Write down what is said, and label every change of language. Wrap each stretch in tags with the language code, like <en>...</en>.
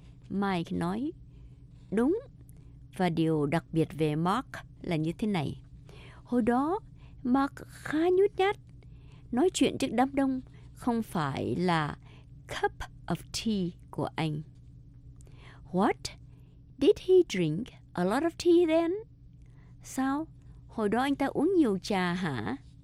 <vi>Mike nói, đúng. Và điều đặc biệt về Mark là như thế này. Hồi đó, Mark khá nhút nhát. Nói chuyện trước đám đông không phải là cup of tea của anh.</vi> <en>What? Did he drink a lot of tea then?</en> <vi>Sao? Hồi đó anh ta uống nhiều trà hả?</vi>